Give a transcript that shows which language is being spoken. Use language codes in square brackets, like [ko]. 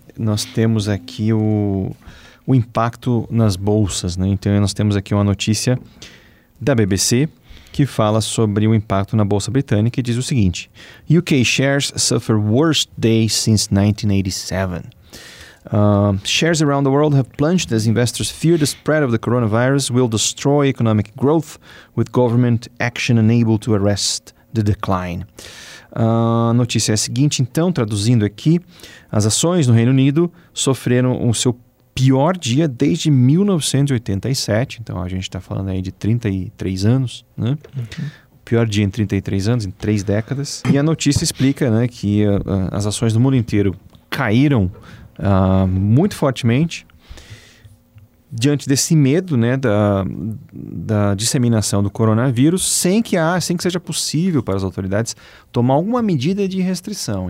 [pt] Nós temos aqui o impacto nas bolsas, né? Então nós temos aqui uma notícia da BBC que fala sobre o impacto na Bolsa Britânica e diz o seguinte: [en] UK shares suffer worst day since 1987. Shares around the world have plunged as investors fear the spread of the coronavirus will destroy economic growth with government action unable to arrest the decline. [pt] A notícia é a seguinte, então, traduzindo aqui, as ações no Reino Unido sofreram o seu pior dia desde 1987, então a gente está falando aí de 33 anos, né? Uhum. O pior dia em 33 anos, em 3 décadas. E a notícia explica, né, que as ações do mundo inteiro caíram muito fortemente diante desse medo, né, da disseminação do coronavírus, sem que seja possível para as autoridades tomar alguma medida de restrição.